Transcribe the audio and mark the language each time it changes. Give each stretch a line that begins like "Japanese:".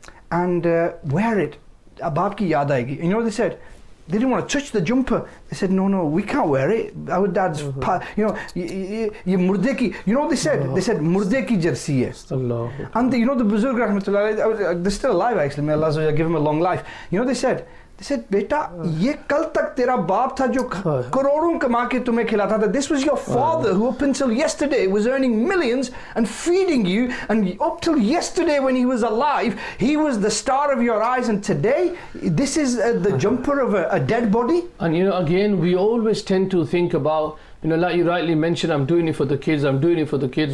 English: And wear it.
Urdu: Baap ki yaad aayegi.
English: You know what they said? They didn't want to touch the jumper. They said, no, we can't wear it. Our dad's,
Urdu: ye murde ki.
English: You know what they said? They said,
Urdu: murde ki jersey hai.
English: And you know the Buzurg, rahmatullah, they're still alive actually. May Allah give him a long life. You know what they said? They said,
Urdu: بیٹا, یہ کل تک تیرا باپ تھا جو کروڑوں کما کے تمہیں کھلاتا تھا.
English: This was your father who up until yesterday was earning millions and feeding you. And up till yesterday when he was alive, he was the star of your eyes. And today, this is the jumper of a dead body. And you know, again, we always tend to think about, you know, like you rightly mentioned, I'm doing it for the kids.